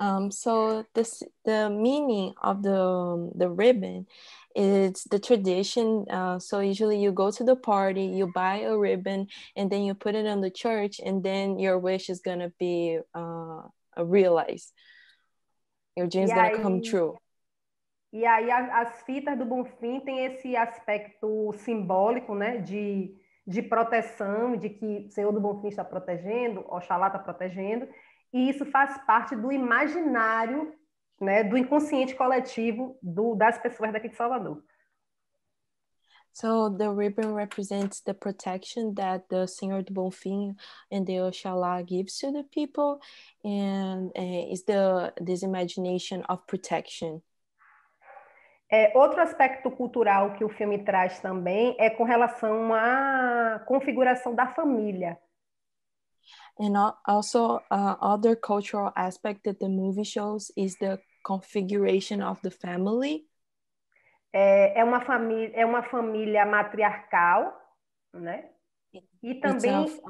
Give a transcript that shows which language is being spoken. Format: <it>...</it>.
<en>So the meaning of the ribbon is the tradition. So usually you go to the party, you buy a ribbon, and then you put it on the church, and then your wish is going to be realized. Your dream is going to come true.</en> <pt>E aí as fitas do Bonfim têm esse aspecto simbólico, né, de proteção, de que o Senhor do Bonfim está protegendo, Oxalá está protegendo, e isso faz parte do imaginário, né, do inconsciente coletivo das pessoas daqui de Salvador.</pt> <en>So the ribbon represents the protection that the Senhor do Bonfim and the Oxalá gives to the people, and is this imagination of protection.</en> <pt>Outro aspecto cultural que o filme traz também é com relação à configuração da família.</pt> <en>And also, other cultural aspect that the movie shows is the configuration of the family.</en> <pt>É uma família matriarcal, né? E também...</pt>